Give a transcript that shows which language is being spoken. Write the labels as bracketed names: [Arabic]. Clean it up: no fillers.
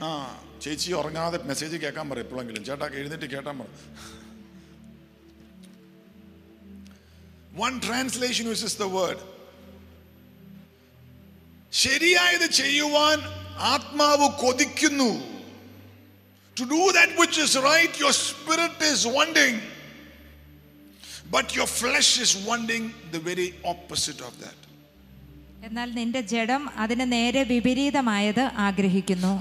[Malayalam] ആ ചേച്ചി ഉറങ്ങാതെ മെസ്സേജ് കേൾക്കാൻ പറയും എപ്പോഴെങ്കിലും. ചേട്ടാ എഴുന്നേറ്റ് കേട്ടാൻ പറ. [English] One translation uses the word, [Malayalam] ശരിയായത് ചെയ്യുവാൻ ആത്മാവ് കൊതിക്കുന്നു. [English] To do that which is right, your spirit is wanting, but your flesh is wanting the very opposite of that. [Malayalam] എന്നാൽ നിന്റെ ജഡം അതിനെ നേരെ വിപരീതമായത് ആഗ്രഹിക്കുന്നു.